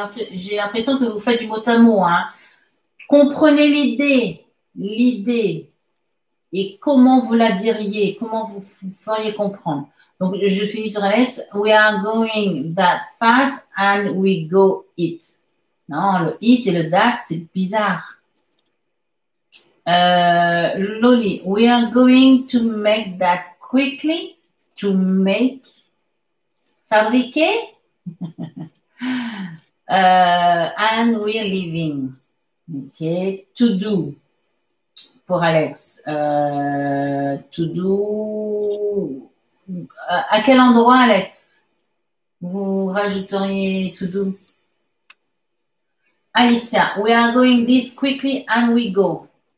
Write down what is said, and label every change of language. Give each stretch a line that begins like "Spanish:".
French: J'ai l'impression que vous faites du mot à mot. Hein. Comprenez l'idée. l'idée et comment vous la diriez, comment vous feriez comprendre. Donc, je finis sur Alex.
English: We are going that fast and we go it.
French: Non, le it et le that, c'est bizarre. Loli,
English: we are going to make that quickly. To make, fabriquer. and we are leaving. Okay, to do.
French: Pour Alex,
English: to do.
French: À quel endroit, Alex, vous rajouteriez
English: to do? Alicia, we are going this quickly and we go.